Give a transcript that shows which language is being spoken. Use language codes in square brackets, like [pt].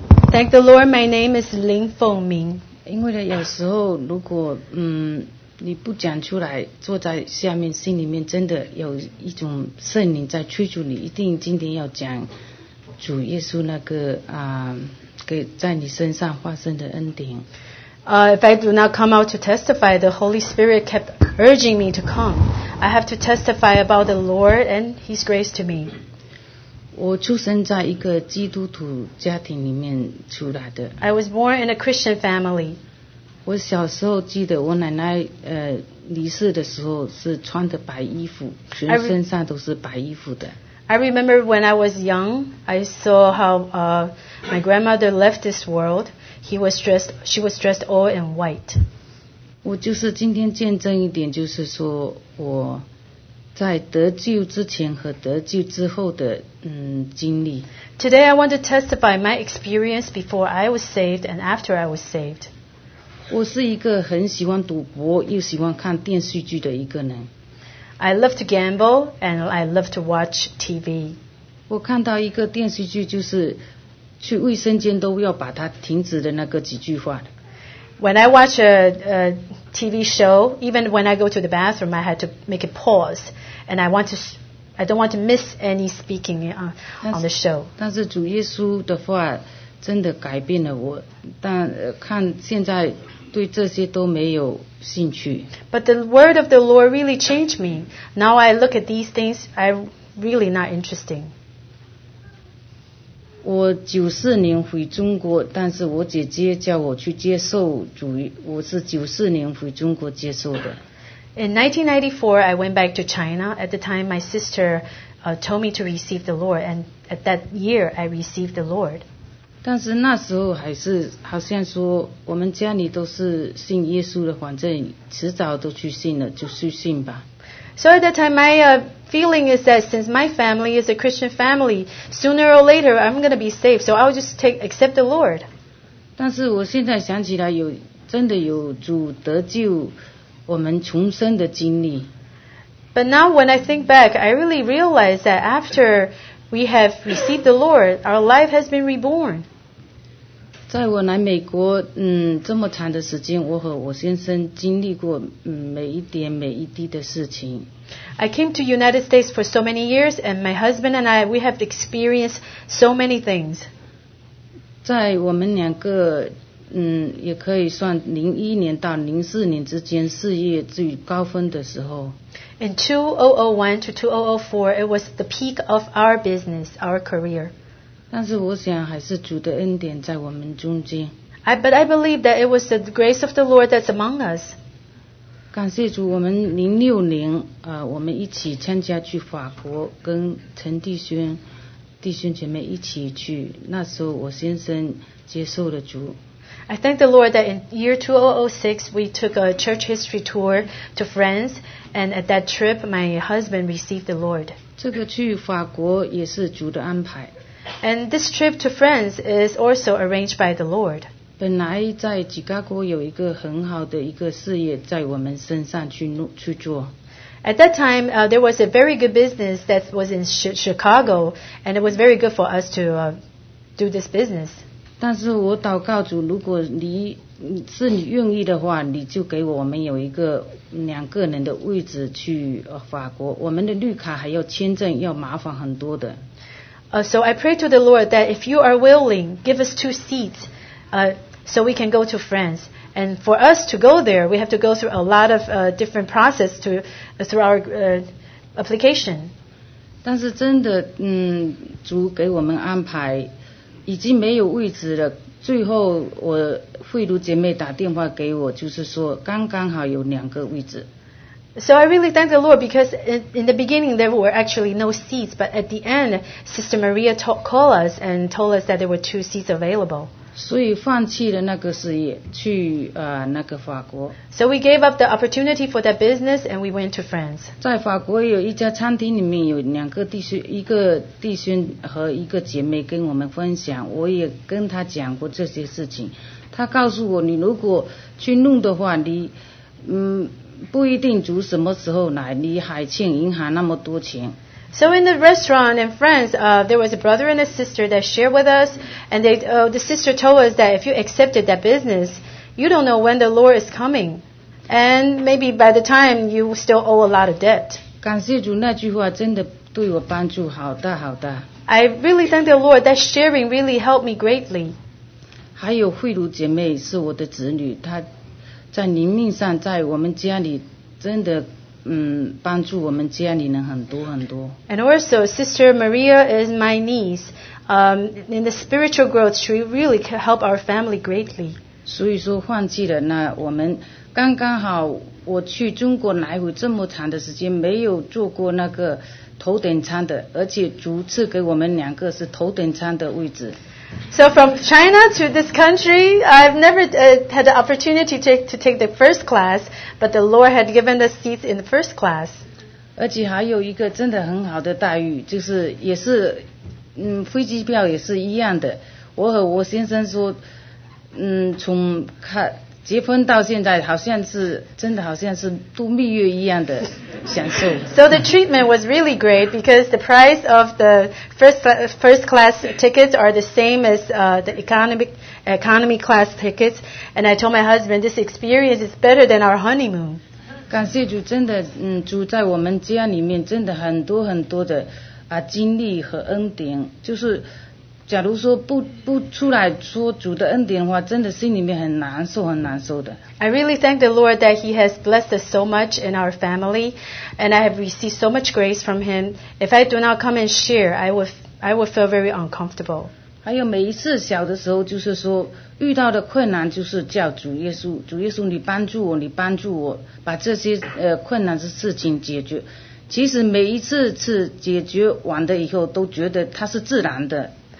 [en] Thank the Lord, my name is Lin Fengming. [zh] 因为有时候如果你不讲出来，坐在下面心里面真的有一种圣灵在催促你，一定今天要讲主耶稣那个给在你身上发生的恩典。 [en] If I do not come out to testify, the Holy Spirit kept urging me to come. I have to testify about the Lord and His grace to me. [zh] 我出生在一个基督徒家庭里面出来的。 [en] I was born in a Christian family. [zh] 我小时候记得我奶奶离世的时候是穿的白衣服，全身上都是白衣服的。 [en] I remember when I was young, I saw how my grandmother left this world. She was dressed all in white. [zh] 我就是今天见证一点，就是说我。在得救之前和得救之后的经历。 [en] Today I want to testify my experience before I was saved and after I was saved. [zh] 我是一个很喜欢赌博又喜欢看电视剧的一个人。 [en] I love to gamble and I love to watch TV. [zh] 我看到一个电视剧就是去卫生间都要把它停止的那个几句话。 [en] When I watch a TV show, even when I go to the bathroom, I had to make a pause, and I don't want to miss any speaking on the show. [zh] 但是主耶稣的话真的改变了我，但看现在对这些都没有兴趣。 [en] But the word of the Lord really changed me. Now I look at these things, I'm really not interesting. [zh] 我九四年回中国，但是我姐姐叫我去接受主，我是九四年回中国接受的。 [en] In 1994, I went back to China. At the time, my sister, told me to receive the Lord, and at that year I received the Lord. [zh] 但是那时候还是好像说我们家里都是信耶稣的，反正迟早都去信了，就去信吧。 [en] So at that time, my feeling is that since my family is a Christian family, sooner or later, I'm going to be saved, so I'll just accept the Lord. [zh] 但是我现在想起来有真的有主得救我们重生的经历。 [en] But now when I think back, I really realize that after we have received the Lord, our life has been reborn. [zh] 在我来美国这么长的时间，我和我先生经历过每一点每一滴的事情。 [en] I came to United States for so many years, and my husband and I, we have experienced so many things. [zh] 在我们两个也可以算01年到04年之间事业最高峰的时候。 [en] In 2001 to 2004, it was the peak of our business, our career. [zh] 但是我想还是主的恩典在我们中间。 [en] But I believe that it was the grace of the Lord that's among us. [zh] 感谢主，我们06年我们一起参加去法国，跟陈弟兄姐妹一起去，那时候我先生接受了主。 [en] I thank the Lord that in year 2006, we took a church history tour to France, and at that trip, my husband received the Lord. [zh] 这个去法国也是主的安排。 [en] And this trip to France is also arranged by the Lord. [zh] 本来在芝加哥有一个很好的一个事业在我们身上去做。 [en] At that time, there was a very good business that was in Chicago, and it was very good for us to do this business. [zh] 但是我祷告主，如果你是你愿意的话，你就给我们有一个两个人的位置去法国。我们的绿卡还要签证，要麻烦很多的。 [en] So I pray to the Lord that if you are willing, give us two seats, so we can go to France. And for us to go there, we have to go through a lot of different process to through our application. [zh] 但是真的，主给我们安排。已经没有位置了，最后我慧茹姐妹打电话给我，就是说刚刚好有两个位置。 [en] So I really thank the Lord because in the beginning there were actually no seats, but at the end Sister Maria called us and told us that there were two seats available. [zh] 所以放弃了那个事业去那个法国。 [en] So we gave up the opportunity for that business and we went to France. [zh] 在法国有一家餐厅里面有两个弟兄，一个弟兄和一个姐妹跟我们分享，我也跟他讲过这些事情。他告诉我，你如果去弄的话，你不一定煮什么时候来，你还欠银行那么多钱。 [en] So in the restaurant in France, there was a brother and a sister that shared with us, and the sister told us that if you accepted that business, you don't know when the Lord is coming, and maybe by the time you still owe a lot of debt. [zh] 感谢主，那句话真的对我帮助好大好大。 [en] I really thank the Lord that sharing really helped me greatly. [zh] 还有慧茹姐妹是我的子女，她在灵命上在我们家里真的。帮助我们家里人很多很多。 [en] And also, Sister Maria is my niece. In the spiritual growth, she really can help our family greatly. [zh] 所以说放弃了，那我们刚刚好，我去中国来回这么长的时间，没有坐过那个头等舱的，而且主赐给我们两个是头等舱的位置。 [en] So from China to this country, I've never had the opportunity to take the first class, but the Lord had given us seats in the first class. [zh] 而且还有一个真的很好的待遇，就是也是，飞机票也是一样的。我和我先生说，从结婚到现在，好像是真的好像是度蜜月一样的享受。 [en] So the treatment was really great because the price of the first class tickets are the same as the economy class tickets. And I told my husband this experience is better than our honeymoon. [zh] 感谢主，真的，主在我们家里面真的很多很多的经历和恩典，就是。假如说不出来说主的恩典的话，真的心里面很难受，很难受的。 [en] I really thank the Lord that He has blessed us so much in our family, and I have received so much grace from Him. If I do not come and share, I would feel very uncomfortable. [zh] 还有每一次小的时候，就是说遇到的困难，就是叫主耶稣，主耶稣，你帮助我，你帮助我，把这些困难的事情解决。其实每一次次解决完的以后都觉得它是自然的。